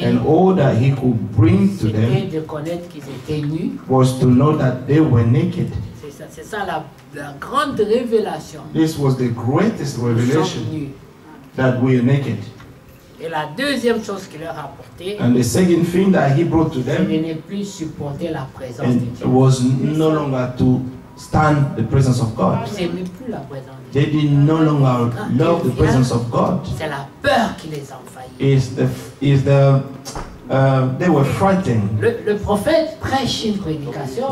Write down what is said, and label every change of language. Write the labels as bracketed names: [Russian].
[English] and all that he could bring to them, [French] de connaître qu'ils étaient nus, [English] was to know that they were naked. [French] C'est ça la grande révélation. [English] This was the greatest revelation, that we are naked. [French] Et la deuxième chose qu'il leur a apporté, [English] and the second thing that he brought to them, [French] c'est de ne plus supporter la présence de Dieu. [English] Was no longer to stand the presence of God. [French] Ils n'aimaient plus la présence de Dieu. [English] They did no longer love the presence of God. [French] C'est la peur qui les envahit. [English] They were frightened. [French] Le prophète prêche une prédication.